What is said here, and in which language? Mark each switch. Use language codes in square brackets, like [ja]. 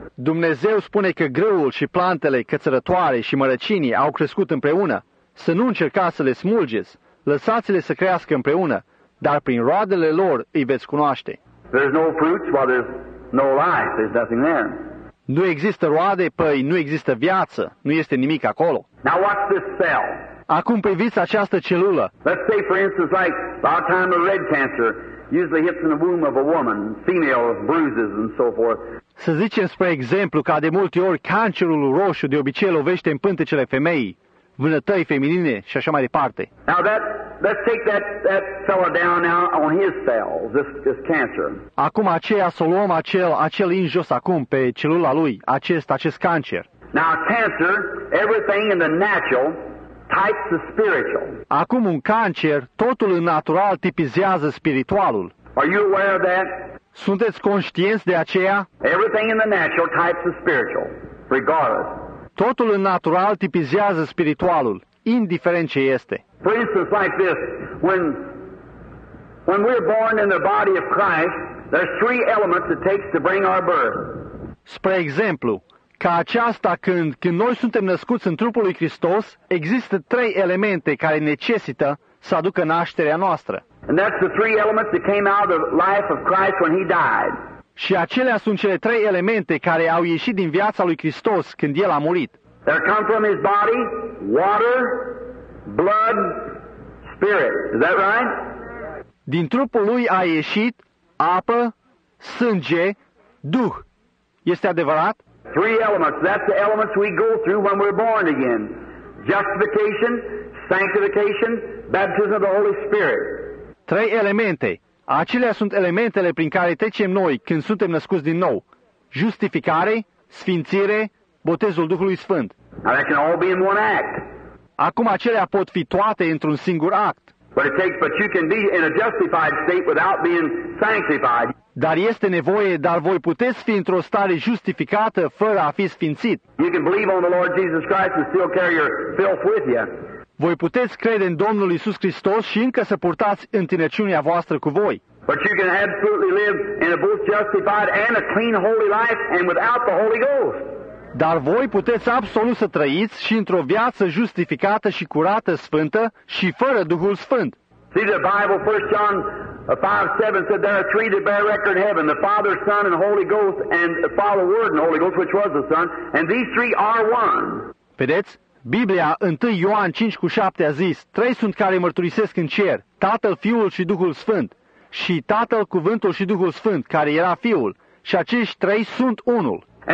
[ro] Dumnezeu spune că grâul și plantele, cățărătoare și mărăcinii au crescut împreună. Să nu încercați să le smulgeți. Lăsați-le să crească împreună, dar prin roadele lor îi veți cunoaște. [en] There's no fruits while there's no life. There's nothing there. [ro] Nu există roade, păi nu există viață. Nu este nimic acolo. [en] Now watch this cell. [ro] Acum priviți această celulă. [en] Let's say, for instance, like about time of red cancer. Usually hits in the womb of a woman, female bruises and so forth. [ro] Să zicem spre exemplu că de multe ori cancerul roșu de obicei lovește în pântecele femeii. vânătăi feminine și așa mai departe. [en] Now that, let's take that fella down now on his cells, this cancer. [ro] Acum aceea să luăm acel în jos acum pe celula lui, acest cancer. [en] Now cancer, everything in the natural types the spiritual. [ro] Acum un cancer, totul în natural tipizează spiritualul. [en] Are you aware of that? [ro] Sunteți conștienți de aceea? [en] Everything in the natural types the spiritual, regardless. [ro] Totul în natural tipizează spiritualul, indiferent ce este. [en] For instance, like this, when we're born in the body of Christ, there's three elements it takes to bring our birth. [ro] Spre exemplu, ca aceasta când noi suntem născuți în trupul lui Hristos, există trei elemente care necesită să aducă nașterea noastră. [en] And that's the three elements that came out of the life of Christ when he died. [ro] Și acelea sunt cele trei elemente care au ieșit din viața lui Hristos când el a murit. [en] They come from his body, water, blood, spirit. Is that right? [ro] Din trupul lui a ieșit apă, sânge, duh. Este adevărat? [en] Three elements. That's the elements we go through when we're born again. Justification, sanctification, baptism of the Holy Spirit. [ro] Trei elemente. Acelea sunt elementele prin care trecem noi când suntem născuți din nou. Justificare, sfințire, botezul Duhului Sfânt. [en] Now that can all be in one act. [ro] Acum acelea pot fi toate într-un singur act. [en] But you can be in a justified state without being sanctified. [ro] Dar este nevoie, dar voi puteți fi într-o stare justificată fără a fi sfințit. [en] You can believe on the Lord Jesus Christ and still carry your filth with you. [ro] Voi puteți crede în Domnul Iisus Hristos și încă să purtați întinăciunea voastră cu voi. [en] But you can absolutely live in a both justified and a clean holy life and without the Holy Ghost. [ro] Dar voi puteți absolut să trăiți și într-o viață justificată și curată, sfântă și fără Duhul Sfânt. [en] See the Bible, 1 John 5:7 said there are three that bear record in heaven, the Father, Son and Holy Ghost, and the Father, Word and Holy Ghost, which was the Son, and these three are one. [ro] Vedeți? Biblia, 1 Ioan 5:7 a zis, trei sunt care mărturisesc în cer, Tatăl, Fiul și Duhul Sfânt, și Tatăl, Cuvântul și Duhul Sfânt, care era Fiul, și acești trei sunt unul.